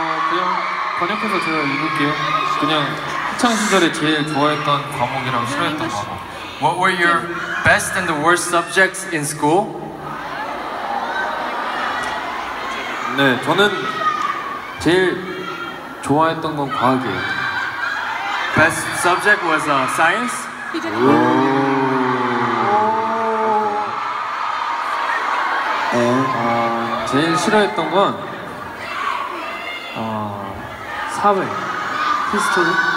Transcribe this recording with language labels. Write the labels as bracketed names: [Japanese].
[Korean] 그냥 번역해서 제가 읽을게요. 그냥 학창 시절에 제일 좋아했던 과목이랑 싫어했던 과목. [English] What were your best and the worst subjects in school? [Korean] 네, 저는 제일 좋아했던 건 과학이에요. [English] Best subject was science. Oh. [Korean] Oh. 제일 싫어했던 건 사회, history.